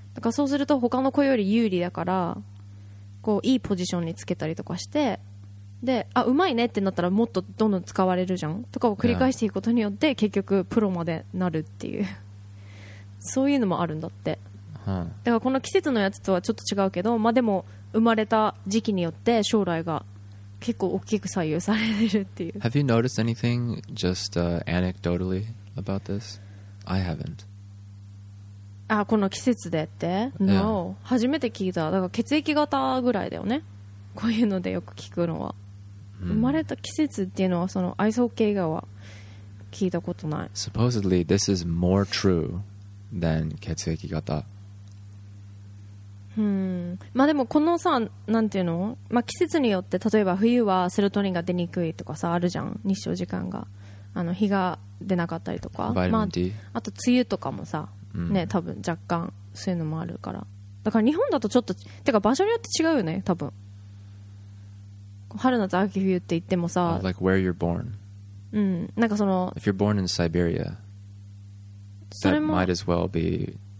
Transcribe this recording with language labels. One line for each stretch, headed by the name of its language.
Japanese: だからそうすると他の子より有利だからこういいポジションにつけたりとかして、で、あ、うまいねってなったらもっとどんどん使われるじゃんとかを繰り返していくことによって結局プロまでなるっていうそういうのもあるんだって、はあ、だからこの季節のやつとはちょっと違うけど、まあでも生まれた時期によって将来が結構大きく左右されてるっていう。
English: Have you noticed anything just anecdotally about this? I haven't.
Japanese: あ、この季節でって、
English: yeah. No.
Japanese: 初めて聞いた。だから血液型ぐらいだよね、こういうのでよく聞くのは、 mm. 生まれた季節っていうのはそのアイスホッケー以外は聞いたことない。
English: Supposedly this is more true than 血液型。
Japanese: うん、まあでもこのさ、なんていうの、まあ、季節によって例えば冬はセロトニンが出にくいとかさあるじゃん、日照時間が、あの日が出なかったりとか、まあ、あと梅雨とかもさ、うん、ね、多分若干そういうのもあるから、だから日本だとちょっとてか場所によって違うよね多分、春夏秋冬って言ってもさ、
English: like where you're born、
Japanese: うん、なんかその
English: if you're born in Siberia that might as well be